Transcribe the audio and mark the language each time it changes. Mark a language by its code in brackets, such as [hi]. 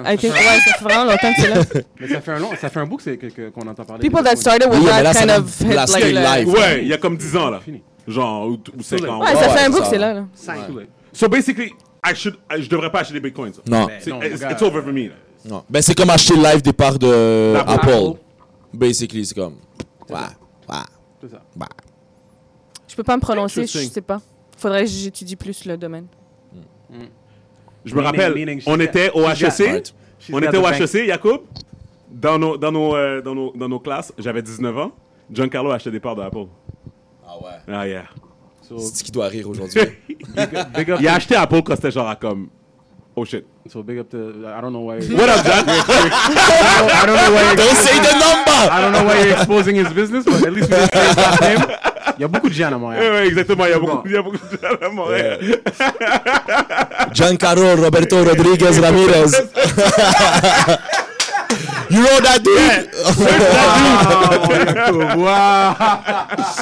[fr] Ça fait un long temps que c'est là. Mais ça fait un bouc, c'est qu'on entend parler. [en] People that started with that kind of hit like life. [fr] Ouais, il y a comme 10 ans, là. Fini. Genre, ou 5 ans. Ouais, ça fait un bouc, c'est là. [en] So basically, [fr] je devrais pas acheter des bitcoins. Non. [en] It's over for me. [fr] Non. Ben, c'est comme acheter live des parts d'Apple. Basically, c'est comme. Ouais. Ouais. C'est ça. Bah. Je peux pas me prononcer, je sais pas. Faudrait que j'étudie plus le domaine. Je me rappelle, on était au HEC. On était au HEC, Yacoub. Dans nos classes, j'avais 19 ans. Giancarlo achetait des parts de Apple. Ah ouais. [en] Ah yeah. [fr] C'est ce qui doit rire aujourd'hui. Il a acheté Apple quand c'était genre à comme. [en] Oh shit. So big up to. I don't know why. What up, John? Don't say the number! I don't know why you're exposing his business, but at least we just changed his name. [fr] Il y a beaucoup de gens à Montréal. Oui, exactement. Il y a beaucoup de gens à Montréal. [en] Yeah. Giancarlo Roberto Rodriguez Ramirez. You know that dude? Yeah. Wow.